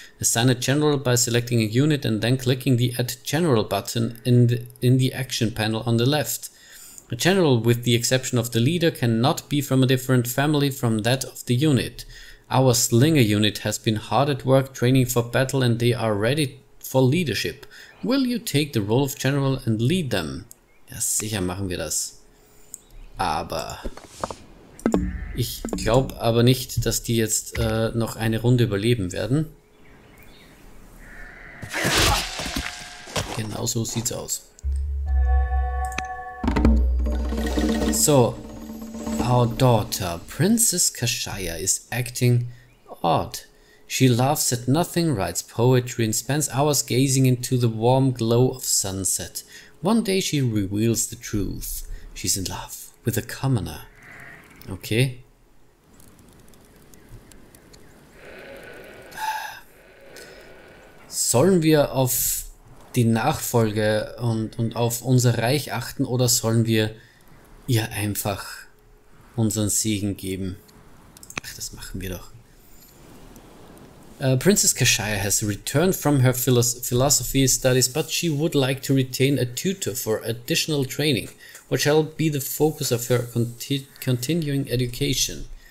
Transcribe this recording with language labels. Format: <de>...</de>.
<en>Assign a general by selecting a unit and then clicking the Add General button in the action panel on the left. A general, with the exception of the leader, cannot be from a different family from that of the unit. Our Slinger unit has been hard at work training for battle and they are ready for leadership. Will you take the role of general and lead them?</en> <de>Ja, sicher machen wir das. Aber ich glaube aber nicht, dass die jetzt noch eine Runde überleben werden. Genau so sieht's aus.</de> <en>So, our daughter, Princess Kashaya, is acting odd. She laughs at nothing, writes poetry and spends hours gazing into the warm glow of sunset. One day she reveals the truth. She's in love. With a commoner. Okay.</en> <de>Sollen wir auf die Nachfolge und auf unser Reich achten oder sollen wir ihr einfach unseren Segen geben? Ach, das machen wir doch.</de> <en>Princess Kashaya has returned from her philosophy studies, but she would like to retain a tutor for additional training. What shall be the focus of her continuing education?</en>